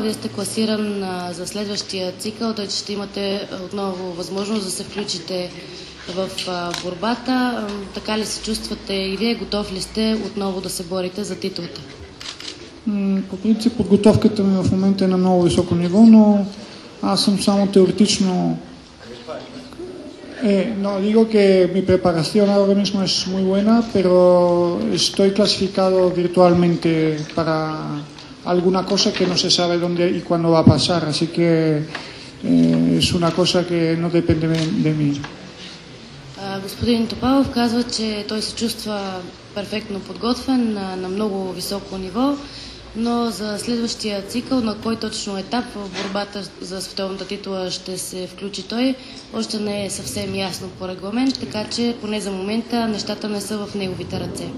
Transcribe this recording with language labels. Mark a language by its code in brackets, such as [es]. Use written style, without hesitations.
[bg] Вие сте класиран за следващия цикъл, т.е. ще имате отново възможност да се включите в борбата. Така ли се чувствате и вие? Готов ли сте отново да се борите за титлата? По принцип подготовката ми в момента е на много високо ниво, но аз съм само теоретично... [es] no, digo que mi preparación ahora mismo es muy buena, pero estoy clasificado virtualmente para alguna cosa que no se sabe dónde y cuándo va a pasar, así que es una cosa que no depende de mí. [bg] Господин Топалов казва, че той се чувства перфектно подготвен на много високо ниво, но за следващия цикъл, на кой точно етап в борбата за световната титла ще се включи той, още не е съвсем ясно по регламент, така че поне за момента нещата не са в неговите ръце.